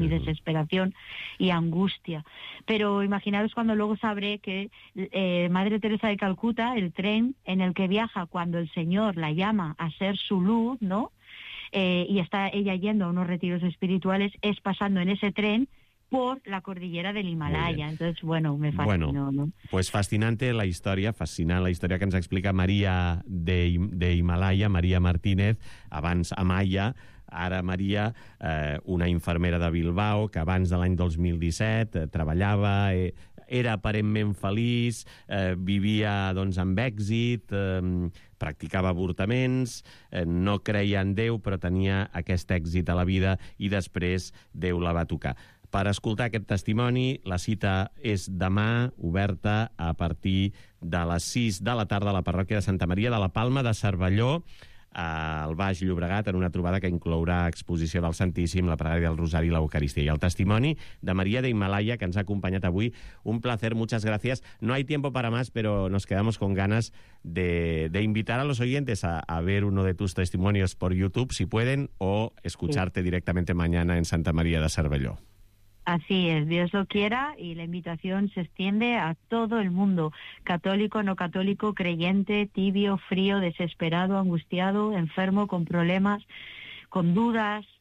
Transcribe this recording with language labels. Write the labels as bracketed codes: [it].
[es] mi desesperación y angustia. Pero imaginaros cuando luego sabré que Madre Teresa de Calcuta, el tren en el que viaja cuando el Señor la llama a ser su luz, ¿no? Y está ella yendo a unos retiros espirituales, es pasando en ese tren por la cordillera del Himalaya. Entonces, bueno, me fascinó, bueno, ¿no? [ca] Pues fascinant la història que ens explica María de Himalaya, María Martínez, abans Amaya, ara María, una infermera de Bilbao, que abans de l'any 2017 treballava... Era aparentment feliç, vivia doncs amb èxit, practicava avortaments, no creia en Déu, però tenia aquest èxit a la vida i després Déu la va tocar. Per escoltar aquest testimoni, la cita és demà, oberta a partir de les 6 de la tarda a la parròquia de Santa Maria de la Palma de Cervelló, al Baix Llobregat, en una trobada que inclourà exposició del Santíssim, la pregària del Rosari i l'Eucaristia. I el testimoni de María de Himalaya, que ens ha acompanyat avui. [es] Un placer, muchas gracias. No hay tiempo para más, pero nos quedamos con ganas de invitar a los oyentes a ver uno de tus testimonios por YouTube, si pueden, o escucharte directamente mañana en Santa María de Cervelló. Así es, Dios lo quiera, y la invitación se extiende a todo el mundo, católico, no católico, creyente, tibio, frío, desesperado, angustiado, enfermo, con problemas, con dudas,